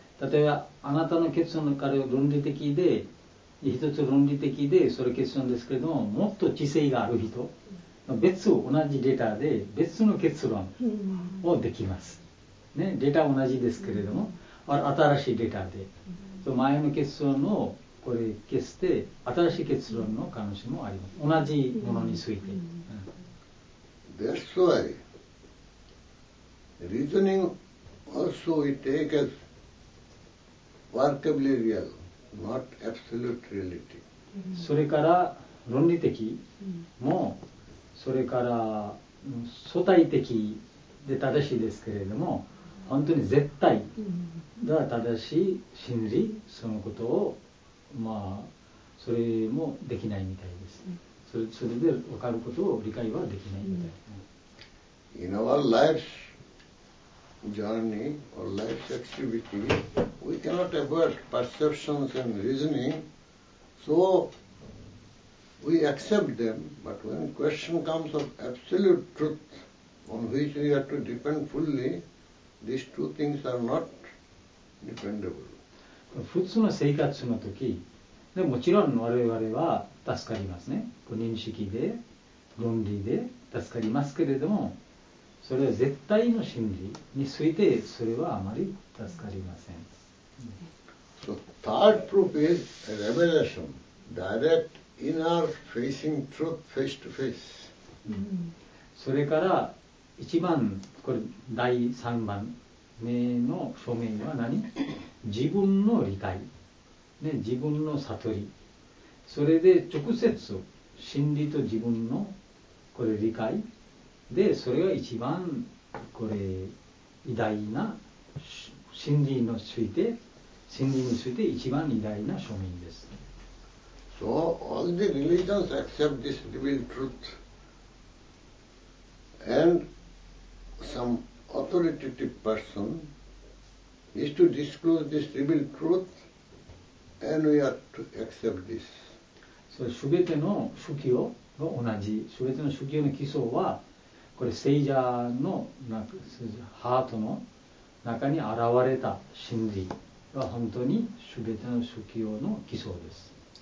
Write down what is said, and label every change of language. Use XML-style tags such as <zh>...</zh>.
<ja>例えば、あなたの結論から論理的で、一つ論理的で、それ結論ですけれども、もっと知性がある人、別を同じデータで別の結論をできます、ね、データは同じですけれども、新しいデータで、その前の結論をこれ消して新しい結論の可能性もあります。同じものについて、</ja> <en>That's why reasoning also we take as workably real, not absolute reality.</en> <ja>それから論理的も、それから相対的で正しいですけれども、本当に絶対が正しい真理、そのことをまあそれもできないみたいです。それで分かることを理解はできないみたい。</ja> <en>In our life's journey or life's activity, we cannot avoid perceptions and reasoning, soWe accept them, but when question comes of absolute truth on which we have to depend fully, these two things are not dependable.</en> <ja>普通の生活の時でもちろん我々は助かりますね。認識で論理で助かりますけれども、それは絶対の真理についてそれはあまり助かりません。</ja> <en>So third proof is a revelation, directin our facing truth face to face.</en> <ja>それから一番、これ第三番目の証明は何？自分の理解、ね、自分の悟り。それで直接真理と自分のこれ理解で、それが一番これ偉大な真理について、真理について一番偉大な証明です。</ja> <en>So all the religions accept this revealed truth, and some authoritative person is to disclose this revealed truth, and we are to accept this.</en> <ja>So, 全ての宗教は同じ。全ての宗教の基礎は、これ聖者のハートの中に現れた真理は本当に全ての宗教の基礎です。</ja>